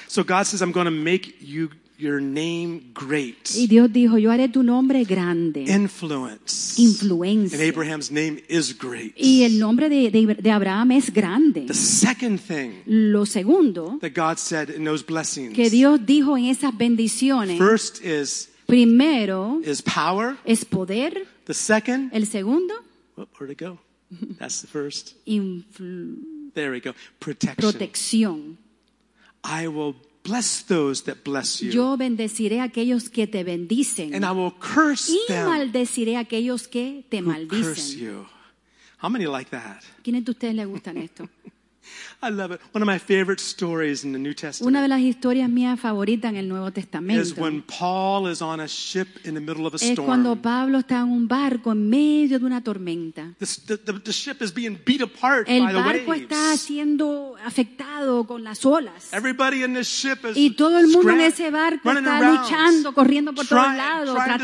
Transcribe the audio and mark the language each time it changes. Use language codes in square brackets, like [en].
[en] So God says, I'm going to make you your name great. [es] Y Dios dijo, yo haré tu nombre grande. [en] Influence. [es] Influencia. [en] And Abraham's name is great. [es] Y el nombre de Abraham es grande. [en] The second thing. [es] Lo segundo. [en] That God said in those blessings. [es] Que Dios dijo en esas bendiciones. [en] First is. [es] Primero. [en] Is power. [es] Es poder. [en] The second. [es] El segundo. [en] Where'd it go? That's the first. There we go. Protection. [es] Protección. [en] I will bless those that bless you. [es] Yo bendeciré a aquellos que te bendicen. [en] And I will curse [es] y maldeciré a aquellos que te maldicen. [en] Curse you. How many like that? [es] ¿Quiénes de ustedes les gustan esto? [en] I love it. One of my favorite stories in the New Testament. [es] Una de las historias mías favoritas en el Nuevo Testamento. [en] Is when Paul is on a ship in the middle of a storm. [es] Es cuando Pablo está en un barco en medio de una tormenta. [en] The ship is being beat apart [es] el [en] by the waves. [es] El barco está siendo afectado con las olas. [en] Everybody in this ship is [es] y todo el mundo en ese barco está luchando, corriendo por todos lados, tratando